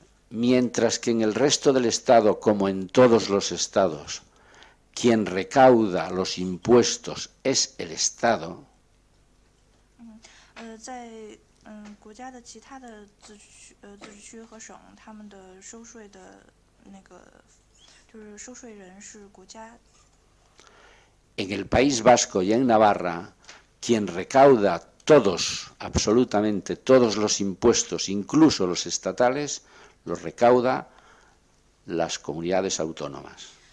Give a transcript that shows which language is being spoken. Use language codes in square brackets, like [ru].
[es] Mientras que en el resto del Estado, como en todos los Estados, quien recauda los impuestos es el Estado, [zh] 在国家的其他的自治区和省，他们的收税的那个，就是收税人是国家。 [es] En el País Vasco y en Navarra, quien recauda todos, absolutamente todos los impuestos, incluso los estatales, los recauda las comunidades autónomas.